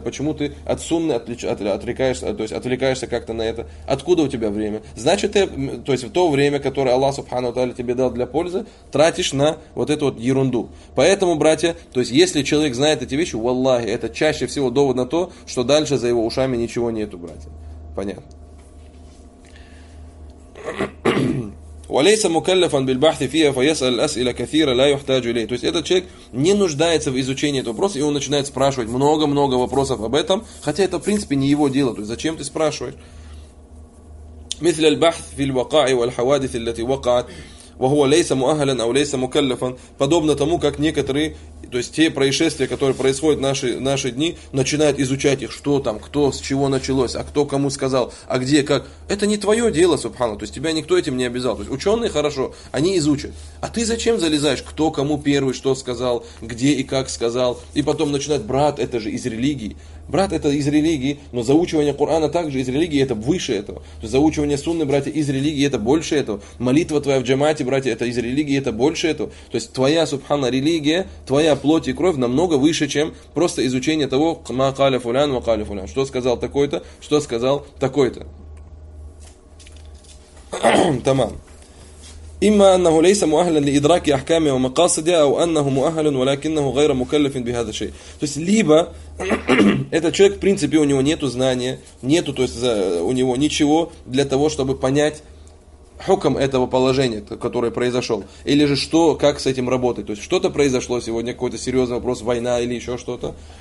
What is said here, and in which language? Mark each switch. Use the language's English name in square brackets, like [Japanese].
[Russian] Почему ты от Сунны отвлекаешься как-то на это? Откуда у тебя время? Значит, ты, то есть то время, которое Аллах Субхану Тааля тебе дал для пользы, тратишь на вот эту вот ерунду. Поэтому, братья, то есть если человек знает эти вещи, валлахи, это чаще всего довод на то, что дальше за его ушами ничего нету, братья. Понятно. [Arabic] وليس مكلفا بالبحث فيها فيسأل أسئلة كثيرة لا يحتاج إليه. [Russian] То есть этот человек не нуждается в изучении этого вопроса, и он начинает спрашивать много-много вопросов об этом, хотя это в принципе не его дело. То есть зачем ты спрашиваешь? [Arabic] مثل البحث في الوقائع والحوادث التي وقعت وهو ليس مؤهلا أو ليس مكلفا. [Russian] Подобно тому, как некоторые, то есть те происшествия, которые происходят в наши дни, начинают изучать их, что там, кто, с чего началось, а кто кому сказал, а где, как. Это не твое дело, субхана, то есть тебя никто этим не обязал. То есть ученые, хорошо, они изучат. А ты зачем залезаешь, кто кому первый что сказал, где и как сказал, и потом начинает, брат, это же из религии. Брат, это из религии, но заучивание Корана также из религии, это выше этого. То есть заучивание Сунны, братья, из религии, это больше этого. Молитва твоя в джамате, братья, это из религии, это больше этого. То есть твоя, субхана, религия, твоя плоть и кровь намного выше, чем просто изучение того, [Arabic] ма каля фулян, ма каля фулян. [Russian] Что сказал такой-то, что сказал такой-то. Тамам. [Arabic] إما أنه ليس مؤهلاً لإدراك أحكامه ومقاصده أو أنه مؤهل ولكنه غير مكلف بهذا الشيء. [Russian] То есть либо этот человек, в принципе, у него нету знания, нету, то есть у него ничего для того, чтобы понять хукм этого положения, которое произошло, или же что, как с этим работать. То есть что-то произошло сегодня, какой-то серьезный вопрос, война или еще что-то.